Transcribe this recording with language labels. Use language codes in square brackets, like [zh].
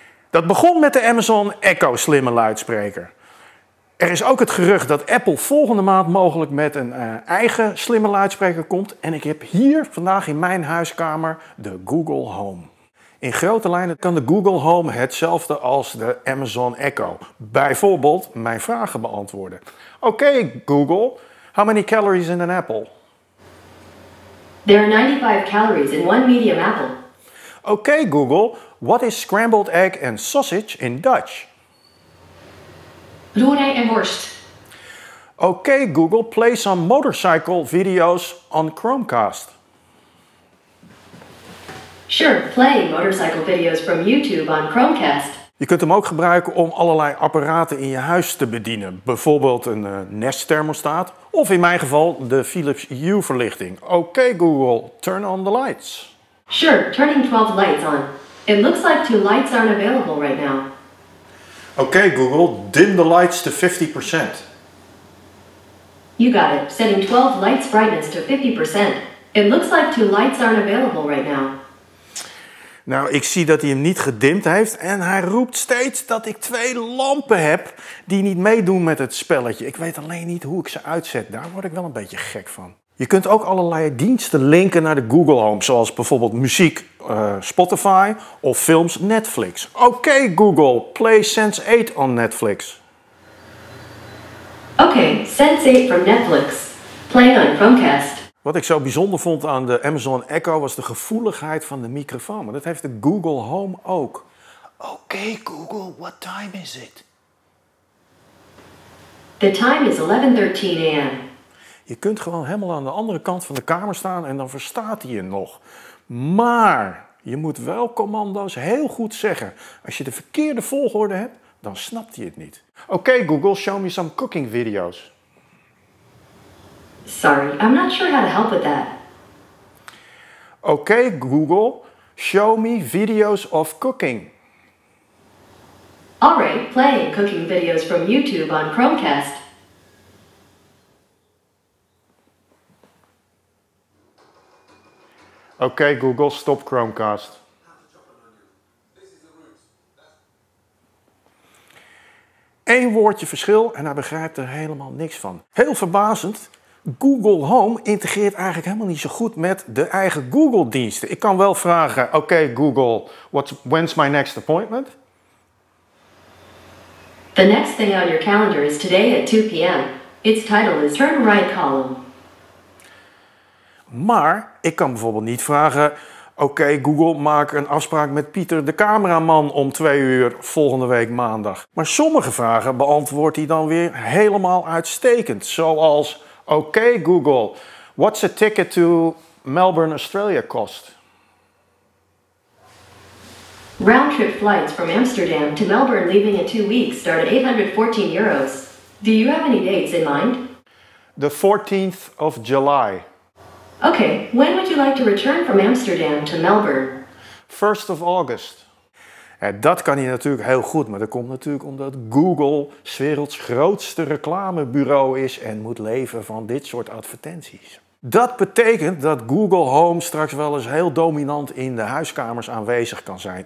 [nl] Dat begon met de Amazon Echo slimme luidspreker. Er is ook het gerucht dat Apple volgende maand mogelijk met een eigen slimme luidspreker komt en ik heb hier vandaag in mijn huiskamer de Google Home. In grote lijnen kan de Google Home hetzelfde als de Amazon Echo. Bijvoorbeeld mijn vragen beantwoorden. [en] Oké, Google, how many calories in an apple? There are 95 calories in one medium apple. Oké, Google, what is scrambled egg and sausage in Dutch? [nl] Roerij en worst. [en] Oké, Google, play some motorcycle videos on Chromecast. Sure, play motorcycle videos from YouTube on Chromecast. [nl] Je kunt hem ook gebruiken om allerlei apparaten in je huis te bedienen. Bijvoorbeeld een Nest thermostaat of in mijn geval de Philips Hue verlichting. [en] Oké, Google, turn on the lights. Sure, turning 12 lights on. It looks like 2 lights aren't available right now. Oké, Google, dim the lights to 50%. You got it, setting 12 lights brightness to 50%. It looks like 2 lights aren't available right now. [nl] Nou, ik zie dat hij hem niet gedimd heeft en hij roept steeds dat ik 2 lampen heb die niet meedoen met het spelletje. Ik weet alleen niet hoe ik ze uitzet. Daar word ik wel een beetje gek van. Je kunt ook allerlei diensten linken naar de Google Home, zoals bijvoorbeeld muziek Spotify of films Netflix. [en] Oké, Google, play Sense8 on Netflix. Oké, Sense8 from Netflix. Play on Chromecast. [nl] Wat ik zo bijzonder vond aan de Amazon Echo was de gevoeligheid van de microfoon. Maar dat heeft de Google Home ook. [en] Oké, Google, what time is it? The time is 11:13 a.m. [nl] Je kunt gewoon helemaal aan de andere kant van de kamer staan en dan verstaat hij je nog. Maar je moet wel commando's heel goed zeggen. Als je de verkeerde volgorde hebt, dan snapt hij het niet. [en] Oké, Google, show me some cooking videos. Sorry, I'm not sure how to help with that. Oké, Google, show me videos of cooking. All right, play cooking videos from YouTube on Chromecast. Oké, Google, stop Chromecast. [nl] Eén woordje verschil en hij begrijpt er helemaal niks van. Heel verbazend. Google Home integreert eigenlijk helemaal niet zo goed met de eigen Google-diensten. Ik kan wel vragen, oké, Google, [en] when's my next appointment? The next thing on your calendar is today at 2 p.m. Its title is Turn Right Column. [nl] Maar ik kan bijvoorbeeld niet vragen, oké, Google, maak een afspraak met Pieter de cameraman om 2 uur volgende week maandag. Maar sommige vragen beantwoordt hij dan weer helemaal uitstekend, zoals... [en] Oké, Google, what's a ticket to Melbourne, Australia cost? Round trip flights from Amsterdam to Melbourne leaving in 2 weeks start at 814 euros. Do you have any dates in mind? The 14th of July. Okay, when would you like to return from Amsterdam to Melbourne? 1st of August. [nl] Ja, dat kan hij natuurlijk heel goed, maar dat komt natuurlijk omdat Google 's werelds grootste reclamebureau is en moet leven van dit soort advertenties. Dat betekent dat Google Home straks wel eens heel dominant in de huiskamers aanwezig kan zijn.